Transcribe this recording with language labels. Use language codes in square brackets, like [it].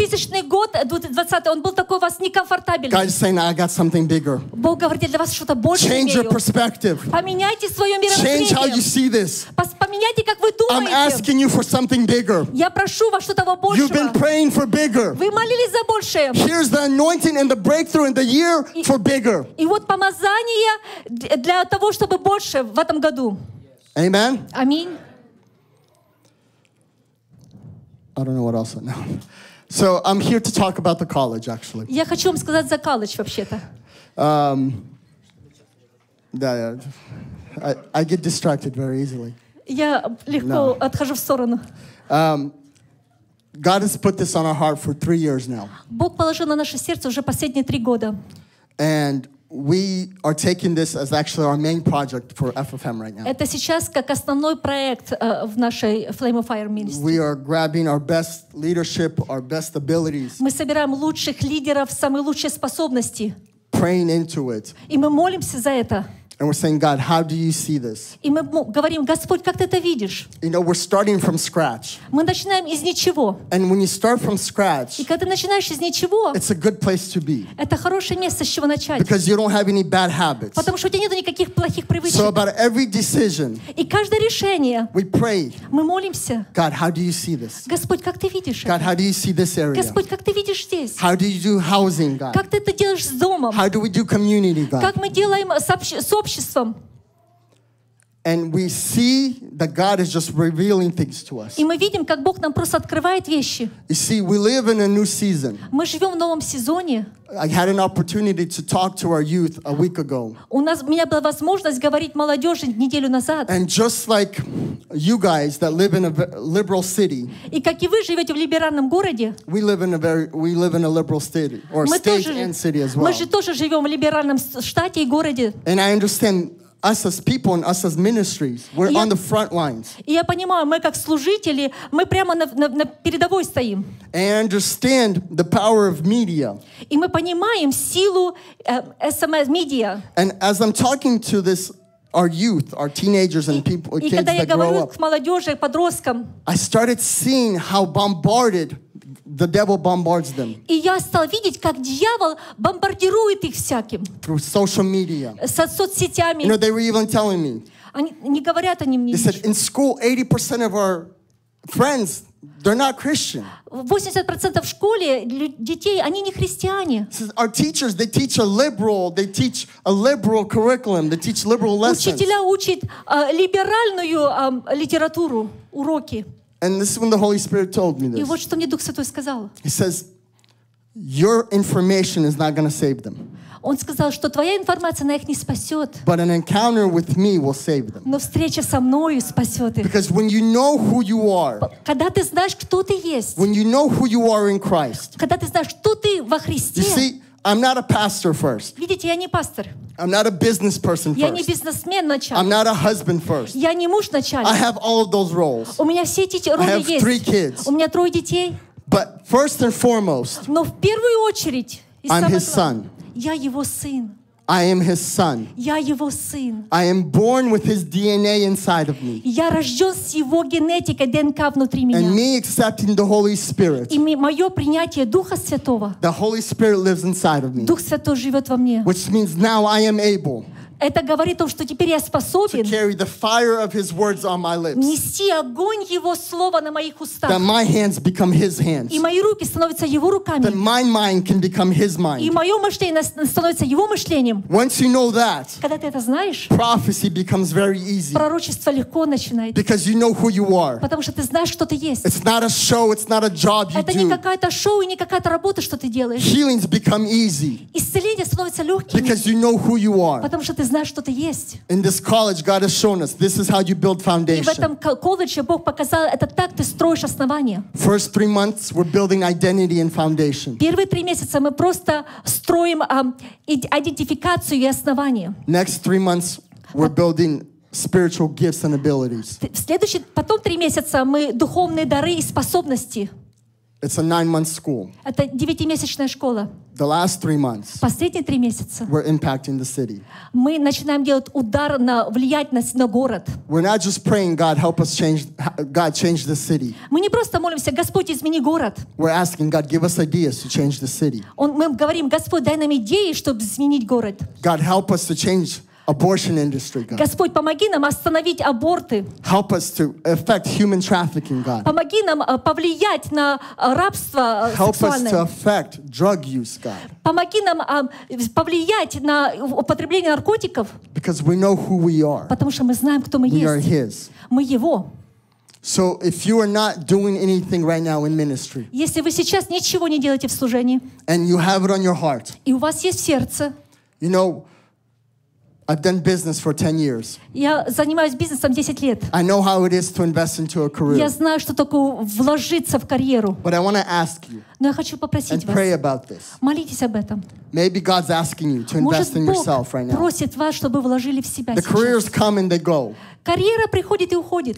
[ru] 2000 год, 2020, он был такой у вас некомфортабельный. [en] God is saying, I got something bigger. [ru] Бог говорит, для вас что-то большее. [en] Change your perspective. [ru] Поменяйте свое мировоззрение. [en] Change how you see this. [ru] Поменяйте, как вы думаете. [en] I'm asking you for something bigger. [ru] Я прошу вас что-то большего. [en] You've been praying for bigger. [ru] Вы молились за большее. [en] Here's the anointing and the breakthrough in the year for bigger. [ru] И вот помазание для того, чтобы больше в этом году. [en] Amen. [ru] Аминь. [en] I don't know what else I know. So I'm here to talk about the college, actually. [ru] Я хочу вам сказать за колледж вообще-то. [en] I get distracted very easily. [ru] Я легко отхожу в сторону. [en] God has put this on our heart for 3 years now. [ru] Бог положил на наше сердце уже последние три года. [en] And We are taking this as actually our main project for FFM right now. [ru] Это сейчас как основной проект в нашей Flame of Fire ministry. [en] We are grabbing our best leadership, our best abilities. [ru] Мы собираем лучших лидеров, самые лучшие способности. [en] Praying into it. [ru] И мы молимся за это. [en] And we're saying, God, how do you see this? [ru] И мы говорим, Господь, как ты это видишь? [en] You know, we're starting from scratch. [ru] Мы начинаем из ничего. [en] And when you start from scratch, [ru] и когда ты начинаешь из ничего, [en] it's a good place to be. [ru] Это хорошее место, с чего начать. [en] Because you don't have any bad habits. [ru] Потому что у тебя нет никаких плохих привычек. [en] So about every decision, [ru] и каждое решение, [en] we pray. [ru] Мы молимся. [en] God, how do you see this? [ru] Господь, как ты видишь? [en] God, how do you see this area? [ru] Господь, как ты видишь здесь? [en] How do you do housing, God? [ru] Как ты это делаешь с домом? [en] How do we do community, God? [ru] Как мы делаем сообщество? [en] And we see that God is just revealing things to us. [ru] И мы видим, как Бог нам просто открывает вещи. [en] You see, we live in a new season. [ru] Мы живем в новом сезоне. [en] I had an opportunity to talk to our youth a week ago. [ru] У нас у меня была возможность говорить молодежи неделю назад. [en] And just like you guys that live in a liberal city. [ru] И как и вы живете в либеральном городе. [en] We live in a liberal city or state and city as well. [ru] Мы же тоже живем в либеральном штате и городе. [en] And I understand. Us as people and us as ministries, we're on the front lines. [ru] И я понимаю, мы как служители, мы прямо на передовой стоим. [en] And I understand the power of media. [ru] И мы понимаем силу SMS media. [en] And as I'm talking to this, our youth, our teenagers and people, kids that grow up. [ru] И когда я говорю к молодежи, подросткам. [en] I started seeing how bombarded. The devil bombards them. [ru] И я стал видеть, как дьявол бомбардирует их всяким. [en] Through social media. [ru] Со соцсетями. [en] You know, they were even telling me. [ru] Они не говорят они мне. [en] They said in school 80% of our friends they're not Christian. [ru] 80% в школе детей они не христиане. [en] Our teachers they teach a liberal, they teach a liberal curriculum, they teach liberal lessons. [ru] Учителя учат либеральную литературу, уроки. [en] And this is when the Holy Spirit told me this. [ru] И вот что мне Дух Святой сказал. [en] He says, "Your information is not going to save them." [ru] Он сказал, что твоя информация на их не спасет. [en] But an encounter with me will save them. [ru] Но встреча со мною спасет их. [en] Because when you know who you are, [ru] когда ты знаешь, кто ты есть, [en] when you know who you are in Christ, [ru] когда ты знаешь, кто ты во Христе, [en] you see, I'm not a pastor first. [ru] Видите, я не пастор. [en] I'm not a business person first. [ru] Я не бизнесмен начальник. [en] I'm not a husband first. [ru] Я не муж начальник. [en] I have all of those roles. [ru] У меня все эти роли есть. [en] I have three kids. [ru] У меня трое детей. [en] But first and foremost. [ru] Но в первую очередь. [en] I'm his son. [ru] Я его сын. [en] I am his son. [ru] Я его сын. [en] I am born with his DNA inside of me. [ru] Я рожден с его генетикой ДНК внутри меня. [en] And me accepting the Holy Spirit. [ru] И мое принятие Духа Святого. [en] The Holy Spirit lives inside of me. [ru] Дух Святой живет во мне. [en] Which means now I am able. [ru] Это говорит о том, что теперь я способен. [en] To carry the fire of his words on my lips. [ru] Нести огонь его слова на моих устах. [en] That my hands become his hands. [ru] И мои руки становятся его руками. [en] That my mind can become his mind. [ru] И мое мышление становится его мышлением. [en] Once you know that. [ru] Когда ты это знаешь. [en] Prophecy becomes very easy. [ru] Пророчество легко начинается. [en] Because you know who you are. [ru] Потому что ты знаешь, кто ты есть. [en] It's not a show, it's not a job you [ru] это [en] do. [ru] Это не какая-то шоу и не какая-то работа, что ты делаешь. [en] Healings become easy. [ru] Исцеление становится легким. [en] Because you know who you are. [ru] Потому что ты знаешь, что ты есть. [en] In this college, God has shown us this is how you build foundation. [ru] И в этом колледже Бог показал, это так ты строишь основание. [en] First 3 months, we're building identity and foundation. [ru] Первые 3 месяца мы просто строим идентификацию и основание. [en] Next 3 months, we're building spiritual gifts and abilities. [ru] В следующие потом 3 месяца мы духовные дары и способности. [en] It's a 9-month school. [ru] Это 9-месячная школа. [en] The last 3 months. [ru] Последние 3 месяца. [en] We're impacting the city. [ru] Мы начинаем делать удар на влиятельность на город. [en] We're not just praying, God, help us change, God, change the city. [ru] Мы не просто молимся, Господь, измени город. [en] We're asking God, give us ideas to change the city. [ru] Мы говорим, Господь, дай нам идеи, чтобы изменить город. [en] God, help us to change abortion industry, God. [ru] Господь, помоги нам остановить аборты. [en] Help us to affect human trafficking, God. [ru] Помоги нам повлиять на рабство сексуальное. [en] Help us to affect drug use, God. [ru] Помоги нам повлиять на употребление наркотиков. [en] Because we know who we are. [ru] Потому что мы знаем, кто мы [en] we [ru] есть. [en] Are his. [ru] Мы его. [en] So if you are not doing anything right now in ministry. [ru] Если вы сейчас ничего не делаете в служении. [en] And you have it on your heart. [ru] И у вас есть сердце. [en] You know, I've done business for 10 years. [ru] Я занимаюсь бизнесом 10 лет. [en] I know how it is to invest into a career. [ru] Я знаю, что такое вложиться в карьеру. [en] But I want to ask you. [ru] Но я хочу попросить [en] and [ru] вас. [en] And pray about this. [ru] Молитесь об этом. [en] Maybe God's asking you to invest in yourself right now. [ru] Может, Бог просит вас, чтобы вложили в себя сейчас. [en] The careers come and they go. [ru] Карьера приходит и уходит.